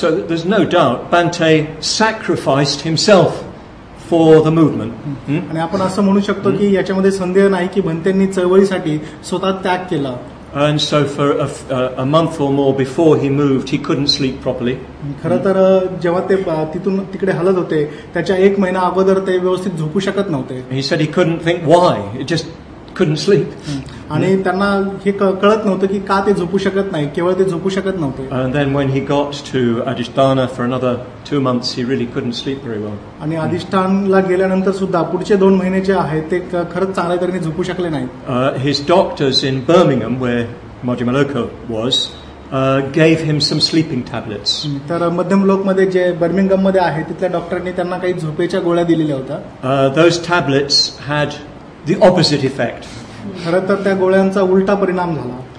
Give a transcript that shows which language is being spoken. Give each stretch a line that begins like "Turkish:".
English: So there's no doubt Bhante sacrificed himself for the movement.
Marathi: आणि आपण असं म्हणू शकतो की याच्यामध्ये संदेह नाही की भंतेंनी चळवळीसाठी स्वतः त्याग केला.
English: And so for a month or more before he moved, he couldn't sleep properly.
Marathi: खरं तर जेव्हा ते तिथून तिकडे हलत होते त्याच्या एक महिना अगोदर ते व्यवस्थित झोपू शकत नव्हते.
English: He said he couldn't think why. It just couldn't sleep.
Marathi: आणि त्यांना हे कळत नव्हतं की का ते झोपू शकत नाही, केवळ ते झोपू शकत नव्हते.
English: And then when he got to Adhisthana for another 2 months, he really couldn't sleep very well.
Marathi: आणि अधिष्ठानला गेल्यानंतर सुद्धा पुढचे 2 महिने जे आहेत ते खरंच चांगल्या तऱ्हेने झोपू शकले नाही.
English: His doctors in Birmingham, where Majimaloka was, gave him some sleeping tablets.
Marathi: तर मध्यम लोक मध्ये जे बर्मिंगहम मध्ये आहे तिथल्या डॉक्टरनी त्यांना काही झोपेच्या गोळ्या दिलेल्या होत्या.
English: Those tablets had the opposite effect.
Marathi: खरं तर त्या गोळ्यांचा उलटा परिणाम झाला.